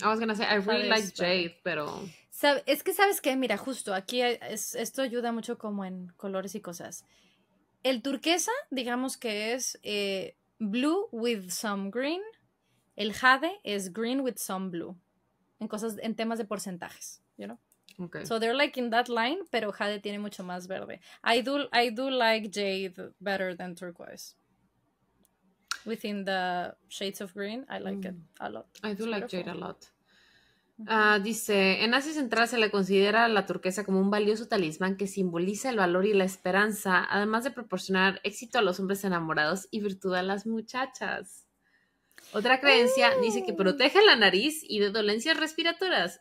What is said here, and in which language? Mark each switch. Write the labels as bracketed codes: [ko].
[en] I was gonna say, I really like jade, [es] pero. Es que, ¿sabes qué? Mira, justo aquí esto ayuda mucho como en colores y cosas. El turquesa, digamos que es [en] blue with some green. [es] El jade es [en] green with some blue. [es] En cosas, en temas de porcentajes, [en] you know? Okay. So they're like in that line, [es] pero jade tiene mucho más verde. [en] I do like jade better than turquoise. Within the shades of green, I like it a lot. Jade a lot. [es] Dice, en Asia Central se le considera la turquesa como un valioso talismán que simboliza el valor y la esperanza, además de proporcionar éxito a los hombres enamorados y virtud a las muchachas. Otra creencia dice que protege la nariz y de dolencias respiratorias.